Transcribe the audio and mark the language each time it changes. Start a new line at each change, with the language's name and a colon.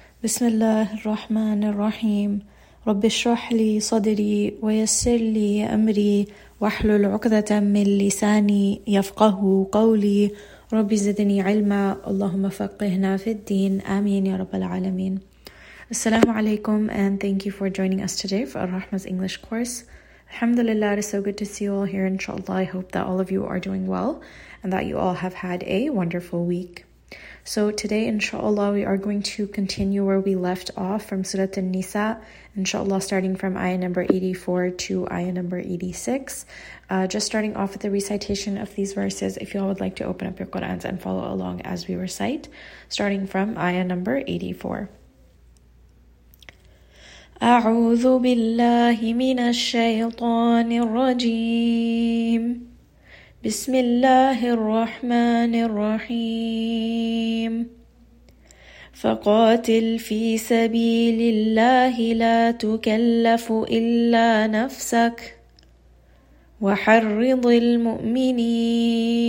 Arabic: بسم الله الرحمن الرحيم. رب اشرح لي صدري ويسر لي أمري واحلل عقدة من لساني يفقه قولي. رب زدني علما، اللهم فقهنا في الدين، آمين يا رب العالمين. السلام عليكم
English: and thank you for joining us today for Ar-Rahma's English course. Alhamdulillah, it is so good to see you all here, inshallah. I hope that all of you are doing well and that you all have had a wonderful week. So today, inshallah, we are going to continue where we left off from Surah An-Nisa, inshallah, starting from ayah number 84 to ayah number 86. Just starting off with the recitation of these verses, if you all would like to open up your Qurans and follow along as we recite, starting from ayah number 84.
Arabic: أعوذ بالله من الشيطان الرجيم بسم الله الرحمن الرحيم فقاتل في سبيل الله لا تكلف إلا نفسك وحرض المؤمنين